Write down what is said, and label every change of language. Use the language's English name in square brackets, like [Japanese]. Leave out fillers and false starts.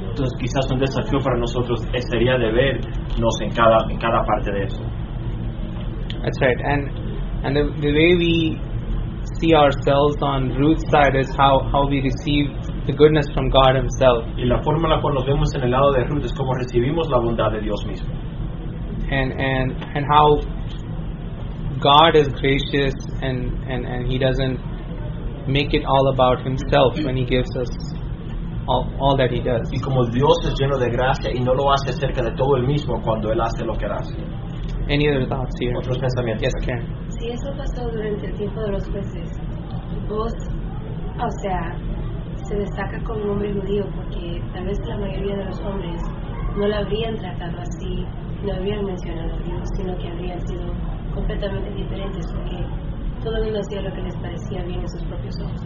[Spanish] Entonces quizás un desafío para nosotros sería de vernos en cada parte de eso. [English] That's right, and the way we see ourselves on Ruth's side is how we receive the goodness from God Himself. [Spanish] Y la forma en la cual nos vemos en el lado de Ruth es como recibimos la bondad de Dios mismo. [English] And how God is gracious and He doesn't make it all about Himself when He gives us all that He does. [Spanish] Y como Dios es lleno de gracia y no lo hace acerca de todo el mismo cuando Él hace lo que hace. [English] Any other thoughts here? [Spanish] Otros pensamientos. [English] Yes, Karen. [Spanish] Si eso pasó durante el tiempo de los jueces, vos, o sea, se destaca como un hombre judío porque tal vez la mayoría de los hombres no lo habrían tratado así, no habrían mencionado a Dios, sino que habrían sido completamente diferentes porque todo el mundo hacía lo que les parecía bien en sus propios ojos.